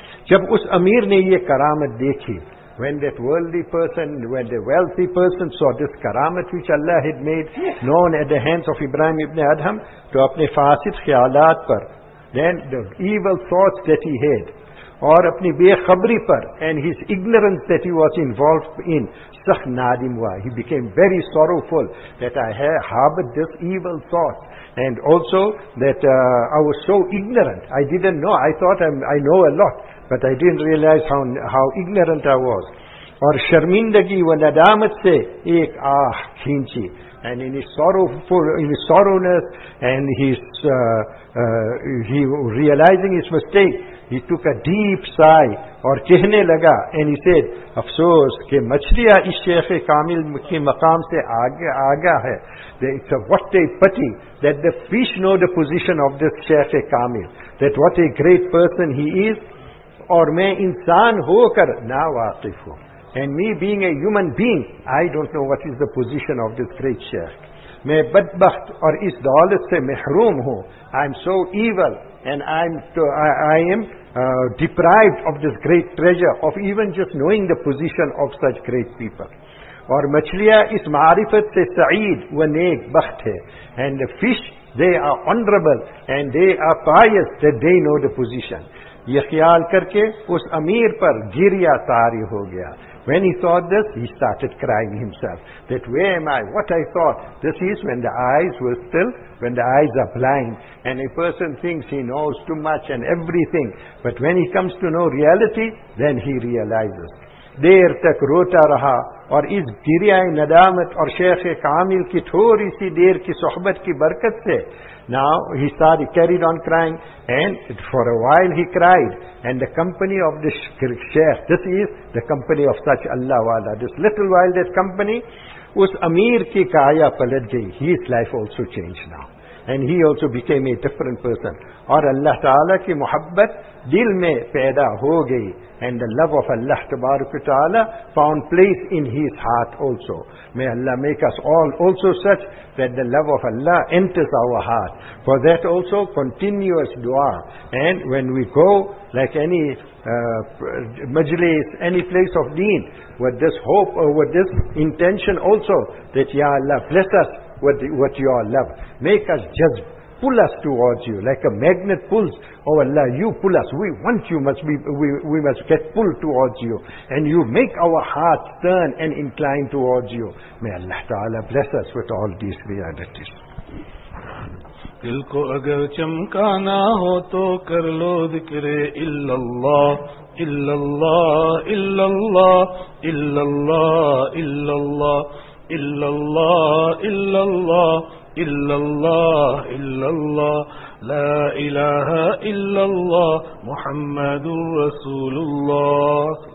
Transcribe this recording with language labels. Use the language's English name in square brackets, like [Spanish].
[Urdu] جب اس امیر نے یہ کرامت دیکھی, [English] when that worldly person, when the wealthy person saw this karamat which Allah had made known at the hands of Ibrahim ibn Adham, to [Urdu] اپنے فاسد خیالات پر, [English] then the evil thoughts that he had, [Urdu] اور اپنی بے خبری پر, [English] and his ignorance that he was involved in, [Urdu] سخ نادم ہوا. [English] He became very sorrowful that I have harbored this evil thought, and also that I was so ignorant. I didn't know. I thought I know a lot, but I didn't realize how ignorant I was. [Urdu] اور شرمندگی و ندامت سے ایک آہ کھینچی. [English] And in his sorrow, in his sorrowness, and his he realizing his mistake, he took a deep sigh. [Urdu] اور کہنے لگا, [English] and he said, [Urdu] افسوس کہ مچھلیہ اس شیخ کامل کے مقام سے آگاہ ہے. [English] It's a what a pity that the fish know the position of this شیخ کامل, that what a great person he is. [Urdu] اور میں انسان ہو کر نا واقف ہوں. [English] And me being a human being, I don't know what is the position of this great shaykh. [Urdu] میں بدبخت اور اس دولت سے محروم ہوں. [English] I'm so evil and I am deprived of this great treasure of even just knowing the position of such great people. [Urdu] اور مچھلیاں اس معرفت سے سعید و نیک بخت ہے. [English] And the fish, they are honorable and they are pious that they know the position. یہ خیال کر کے اس امیر پر گریہ طاری ہو گیا. When he thought this, he started crying himself. That where am I? What I thought? This is when the eyes were still, when the eyes are blind. And a person thinks he knows too much and everything. But when he comes to know reality, then he realizes. [Urdu] دیر تک روتا رہا اور اس گریہ ندامت اور شیخ کامل کی تھوڑی سی دیر کی صحبت کی برکت سے. [English] Now he started, carried on crying, and for a while he cried, and the company of this sheikh, this is the company of such Allah wala, this little while that company, [Urdu] us ameer ki kaya palat gayi, [English] his life also changed now, and he also became a different person, [Urdu] aur Allah ta'ala ki muhabbat dil mein paida ho gayi, [English] and the love of Allah ta'ala found place in his heart also. May Allah make us all also such that the love of Allah enters our heart. For that also, continuous dua. And when we go, like any majlis, any place of deen, with this hope or with this intention also, that Ya Allah, bless us with your love. Make us jazb, pull us towards you, like a magnet pulls. Oh Allah, you pull us. We want you, we must get pulled towards you. And you make our hearts turn and incline towards you. May Allah Ta'ala bless us with all these realities. [Urdu] دل کو اگر چمکانا ہو تو کر لو ذکر [Arabic] الا اللہ الا اللہ الا اللہ الا اللہ الا اللہ الا اللہ الا اللہ الا اللہ الا اللہ لا الہ الا اللہ محمد رسول اللہ.